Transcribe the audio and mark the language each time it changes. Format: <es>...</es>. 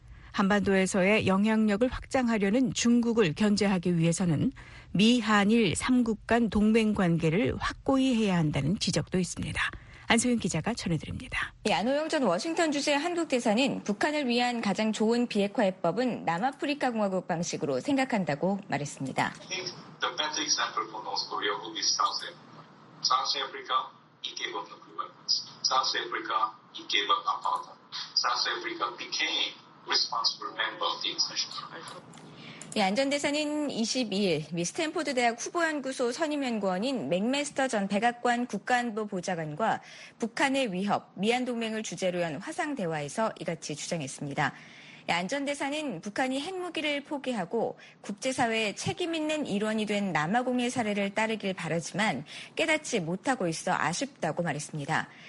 <ko>한반도에서의 영향력을 확장하려는 중국을 견제하기 위해서는 미한일 3국 간 동맹관계를 확고히 해야 한다는 지적도 있습니다. 안소윤 기자가 전해드립니다. 안호영 전 워싱턴 주재 한국대사는 북한을 위한 가장 좋은 비핵화 해법은 남아프리카 공화국 방식으로 생각한다고 말했습니다.</ko> <en>The best example for North Korea would be South Africa. South Africa, it gave up nuclear weapons. South Africa, it gave up apartheid. South Africa became responsible member of the international.</en> <ko>안전대사는 22일 미 스탠포드 대학 후보연구소 선임연구원인 맥메스터 전 백악관 국가안보 보좌관과 북한의 위협, 미한동맹을 주제로 한 화상대화에서 이같이 주장했습니다. 안전대사는 북한이 핵무기를 포기하고 국제사회의 책임있는 일원이 된 남아공의 사례를 따르길 바라지만 깨닫지 못하고 있어 아쉽다고 말했습니다.</ko>